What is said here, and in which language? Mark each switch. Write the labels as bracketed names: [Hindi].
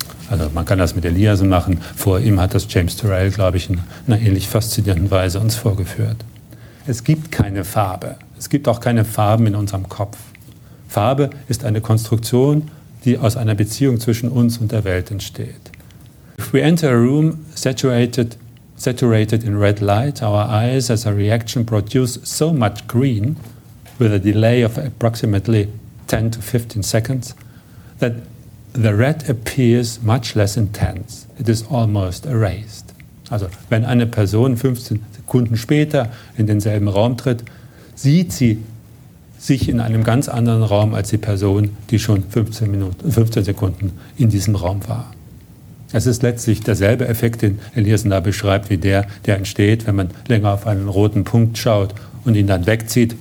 [German] Also man kann das mit Eliasson machen. Vor ihm hat das James Turrell, glaube ich, in einer ähnlich faszinierenden Weise uns vorgeführt. Es gibt keine Farbe. Es gibt auch keine Farben in unserem Kopf. Farbe ist eine Konstruktion, die aus einer Beziehung zwischen uns und der Welt entsteht. [English] If we enter a room saturated in red light, our eyes as a reaction produce so much green with a delay of approximately 10 to 15 seconds that the red appears much less intense. It is almost erased. [German] Also wenn eine Person 15 Sekunden später in denselben Raum tritt, sieht sie sich in einem ganz anderen Raum als die Person, die schon 15 Sekunden in diesem Raum war. Es ist letztlich derselbe Effekt, den Eliasson da beschreibt, wie der, der entsteht, wenn man länger auf einen roten Punkt schaut und ihn dann wegzieht.